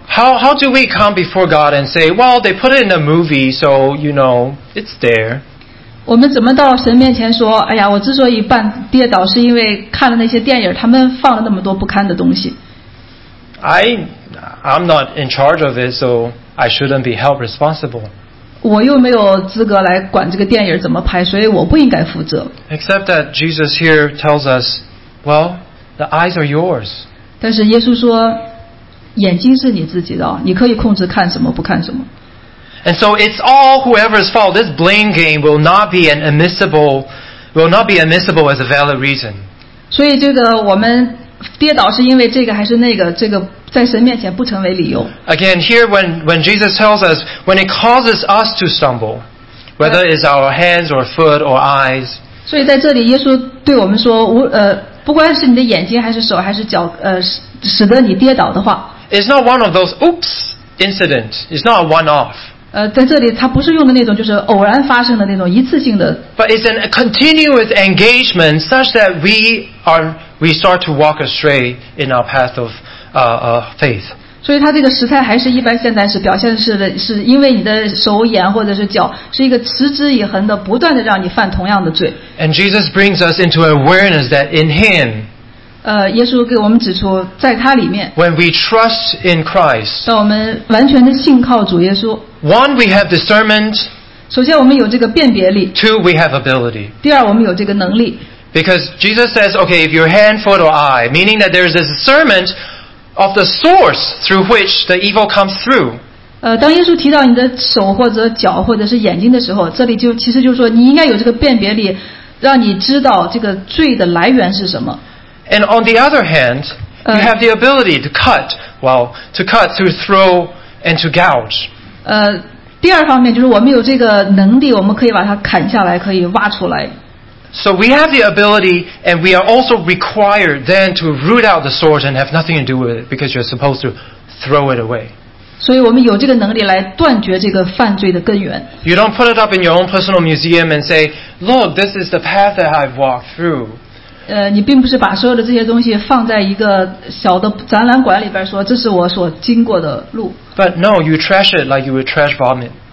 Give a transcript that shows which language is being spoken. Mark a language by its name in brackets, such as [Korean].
[English] How do we come before God and say, well, they put it in a movie, so you know it's there? [Chinese] 我们怎么到神面前说，哎呀，我之所以半跌倒，是因为看了那些电影，他们放了那么多不堪的东西。 [English] I'm not in charge of it, so I shouldn't be held responsible. [Chinese] 我又没有资格来管这个电影怎么拍，所以我不应该负责。 [English] Except that Jesus here tells us, well, the eyes are yours. [Chinese] 但是耶稣说，眼睛是你自己的，你可以控制看什么不看什么。 [English] And so it's all whoever's fault. This blame game will not be admissible as a valid reason. [Chinese] 所以这个我们跌倒是因为这个还是那个，这个在神面前不成为理由。 [English] Again, here when Jesus tells us, when it causes us to stumble, whether it's our hands or foot or eyes. [Chinese] 所以在这里耶稣对我们说，不管是你的眼睛还是手还是脚，使得你跌倒的话。 [English] It's not one of those oops incidents. It's not a one-off. [Chinese] 在这里他不是用的那种就是偶然发生的那种一次性的。 [English] But it's a continuous engagement such that we start to walk astray in our path of faith. [Chinese] 所以它这个时态还是一般现在是表现是的，是因为你的手眼或者是脚是一个持之以恒的，不断的让你犯同样的罪。 [English] And Jesus brings us into awareness that in Him. [Chinese] 耶稣给我们指出，在他里面。 [English] When we trust in Christ. [Chinese] 当我们完全的信靠主耶稣。 [English] One, we have discernment. [Chinese] 首先我们有这个辨别力。 [English] Two, we have ability. [Chinese] 第二，我们有这个能力。 [English] Because Jesus says, okay, if your hand, foot, or eye, meaning that there is a discernment of the source through which the evil comes through. [Chinese] 当耶稣提到你的手或者脚或者是眼睛的时候，这里就其实就是说你应该有这个辨别力，让你知道这个罪的来源是什么。 [English] And on the other hand, you have the ability to cut, to throw, and to gouge. [Chinese] 第二方面就是我们有这个能力，我们可以把它砍下来，可以挖出来。 [English] So we have the ability, and we are also required then to root out the source and have nothing to do with it, because you're supposed to throw it away. [Chinese] 所以我们有这个能力来断绝这个犯罪的根源。 [English] You don't put it up in your own personal museum and say, "Look, this is the path that I've walked through." [Chinese] 你并不是把所有的这些东西放在一个小的展览馆里边说，这是我所经过的路。 [English] But no, you trash it like you would trash vomit.